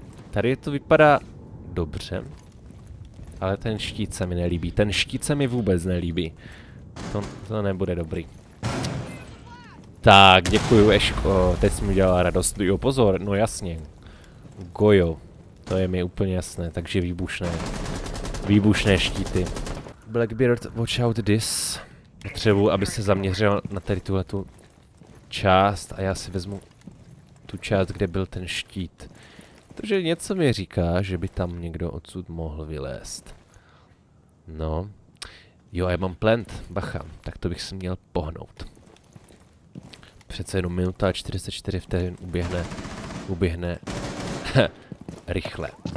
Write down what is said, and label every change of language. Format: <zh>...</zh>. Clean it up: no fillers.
<cs>Tady to vypadá dobře. Ale ten štít se mi nelíbí. Ten štít se mi vůbec nelíbí. To nebude dobrý. Tak, děkuju, Eško. Teď jsi mi udělala radost. Jo, pozor, no jasně. Gojo. To je mi úplně jasné, takže výbušné. Výbušné štíty.</cs> <en>Blackbeard, watch out this.</en> <cs>Potřebuji, aby se zaměřil na tady tuhletu část a já si vezmu tu část, kde byl ten štít. Protože něco mi říká, že by tam někdo odsud mohl vylézt. No. Jo, já mám plant, bacha. Tak to bych si měl pohnout. Přece jenom minuta a 44 vteřin uběhne rychle.</cs>